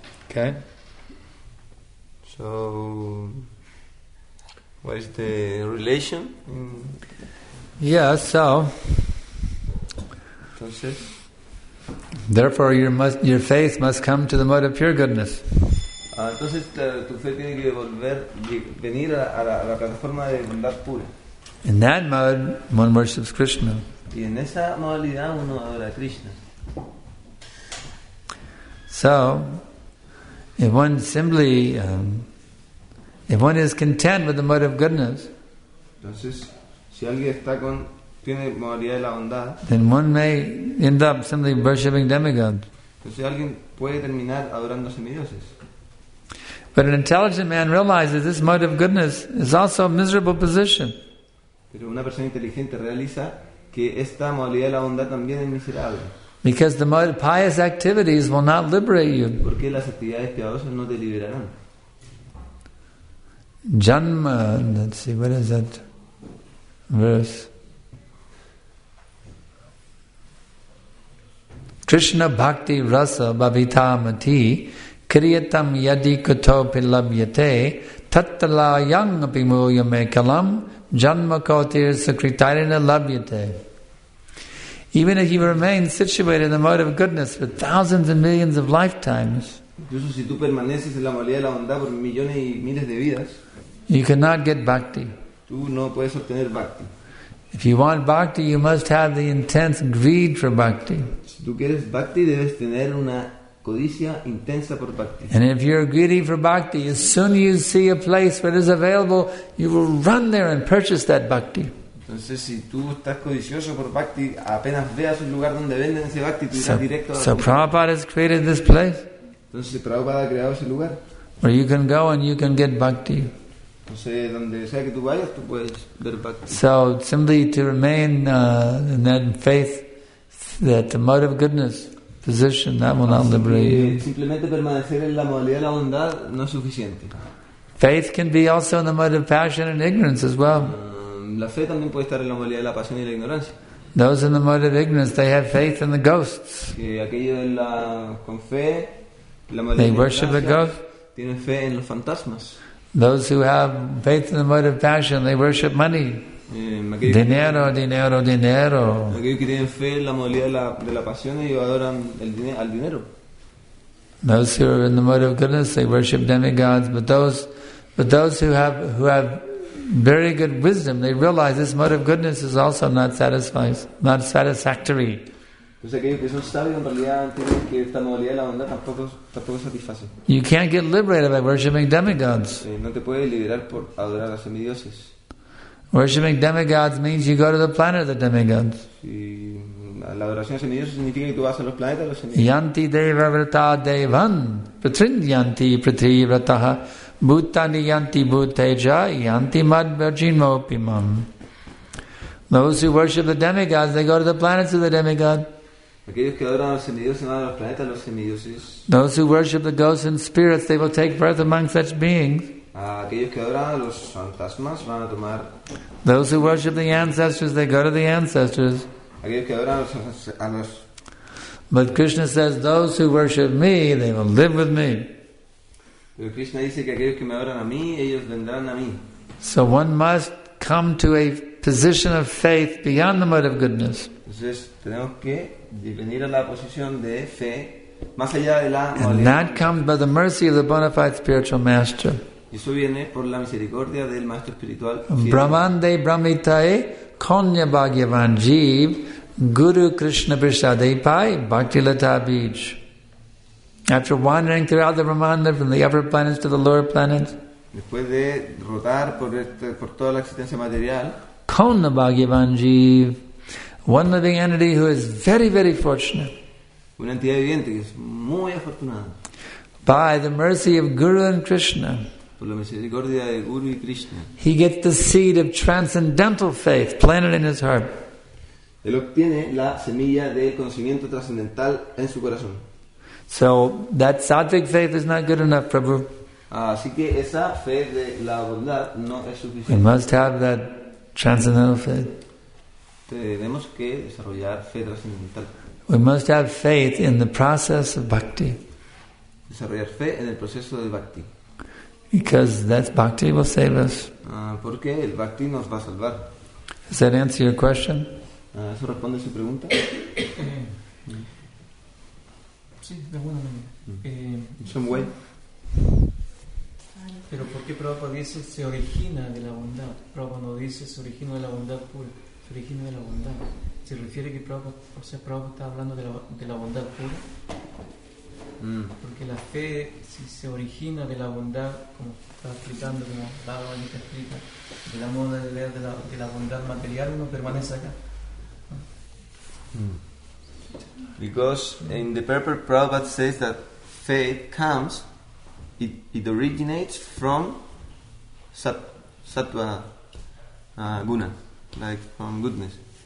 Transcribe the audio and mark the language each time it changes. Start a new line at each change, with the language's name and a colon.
English: Okay. So, what is the relation? Yeah, so...
Spanish: Entonces,
English: therefore, your faith must come to the mode of pure goodness.
Spanish: Entonces, tu fe tiene que volver, venir a la plataforma de bondad pura.
English: In that mode, one worships Krishna.
Spanish: Y en esa modalidad, uno adora a Krishna.
English: So, if one simply... if one is content with the mode of goodness,
Spanish: entonces, si alguien está con, tiene modalidad de la bondad,
English: then one may end up simply worshipping demigods.
Spanish: Entonces, alguien puede terminar adorando semidioses.
English: But an intelligent man realizes this mode of goodness is also a miserable position.
Spanish: Pero una persona inteligente realiza que esta modalidad de la bondad también es miserable.
English: Because the mode of pious activities will not liberate you.
Spanish: Porque las actividades piadosas no te liberarán.
English: Janma, let's see, what is that verse?
Sanskrit: Krishna bhakti rasa bhavita mati kriyatam yadi kuto pilabhyate tattala yang apimuyame kalam janma kautir sakritarina labhyate.
English: Even if you remain situated in the mode of goodness for thousands and millions of lifetimes,
Spanish: incluso si tú permaneces en la modalidad de la bondad por millones y miles de vidas,
English: you cannot get bhakti.
Spanish: Tú no puedes obtener bhakti.
English: If you want bhakti, you must have the intense greed for bhakti.
Spanish: Si tú quieres bhakti, debes tener una codicia intensa por bhakti.
English: And if you're greedy for bhakti, as soon as you see a place where it is available, you will run there and purchase that bhakti.
Spanish: Entonces, si tú estás codicioso por bhakti, apenas veas un lugar donde venden ese bhakti, tú irás directo a la bhakti.
English: So Prabhupada has created this place.
Spanish: Entonces, Prabhupada ha creado ese lugar.
English: Where you can go and you can get bhakti. So simply to remain in that faith, that the mode of goodness position, that will not liberate you.
Spanish: Simplemente permanecer en la modalidad de la bondad no es suficiente.
English: Faith can be also in the mode of passion and ignorance as well.
Spanish: La fe también puede estar en la modalidad de la pasión y la ignorancia.
English: Those in the mode of ignorance, they have faith in the ghosts.
Spanish: Aquellos con fe, la modalidad
English: they worship the ghosts.
Spanish: Tienen fe en los fantasmas.
English: Those who have faith in the mode of passion, they worship money.
Spanish: Dinero, dinero, dinero. Aquellos que tienen fe en la modalidad de la pasión, ellos adoran al dinero.
English: Those who are in the mode of goodness, they worship demigods. But those who have very good wisdom, they realize this mode of goodness is also not satisfactory.
Spanish: Entonces aquellos que son sabios en realidad entienden que esta modalidad de la bondad tampoco satisface.
English: You can't get liberated by worshiping demigods.
Spanish: No te puedes liberar por adorar a semidioses.
English: Worshiping demigods means you go to the planet of the demigods.
Spanish: La adoración a semidioses significa que tú vas a los planetas de los semidioses.
Sanskrit: Yanti deva vrata devan pratrin yanti prithi vrataha bhutani yanti bhuteja yanti mad virgino pimam.
English: Those who worship the demigods, they go to the planets of the demigods.
Spanish: Aquellos que adoran a los semidioses van a los planetas de los semidioses.
English: Those who worship the ghosts and spirits, they will take birth among such beings.
Spanish: Aquellos que adoran a los fantasmas van a tomar.
English: Those who worship the ancestors, they go to the ancestors.
Spanish: Aquellos que adoran a los.
English: But Krishna says, those who worship me, they will live with me.
Spanish: Pero Krishna dice que aquellos que me adoran a mí, ellos vendrán a mí.
English: So one must come to a position of faith beyond the mode of goodness.
Spanish: Entonces tenemos que venir a la posición de fe más allá de la modalidad.
English: And that comes by the mercy of the bona fide spiritual master.
Spanish: Y eso viene por la misericordia del maestro espiritual.
Sanskrit: Brahmande brahmitae konya bhagyavan jeev guru krishna prasadipai bhakti lata bij.
English: After wandering throughout the Brahmanda from the upper planets to the lower planets,
Spanish: después de rotar por toda la existencia material,
Sanskrit: konya bhagyavan jeev,
English: one living entity who is very, very fortunate.
Spanish: Una entidad viviente que es muy afortunada.
English: By the mercy of Guru and Krishna,
Spanish: por la misericordia de Guru y Krishna,
English: he gets the seed of transcendental faith planted in his heart.
Spanish: Él obtiene la semilla del conocimiento trascendental en su corazón.
English: So that sattvic faith is not good enough, Prabhu.
Spanish: Así que esa fe de la bondad no es suficiente.
English: We must have that transcendental faith.
Spanish: Tenemos que desarrollar fe trascendental.
English: We must have faith in the process of bhakti.
Spanish: Desarrollar fe en el proceso de bhakti.
English: Because that bhakti will save us.
Spanish: Porque el bhakti nos va a salvar.
English: Does that answer your question?
Spanish: ¿Eso responde su pregunta? Sí, de alguna manera.
English: In some way.
Spanish: Pero ¿por qué Prabhupada dice se origina de la bondad? Prabhupada no dice se origina de la bondad pura, se origina de la bondad. ¿Se refiere que Prabhupada, o sea, Prabhupada está hablando de la bondad pura? Porque la fe, si se origina de la bondad, como está explicando, como la Bhagavad-gita explica, de la moda de leer de la bondad material, uno permanece acá.
English: Because in the purport Prabhupada says that faith comes, it originates from sattva guna, like from goodness.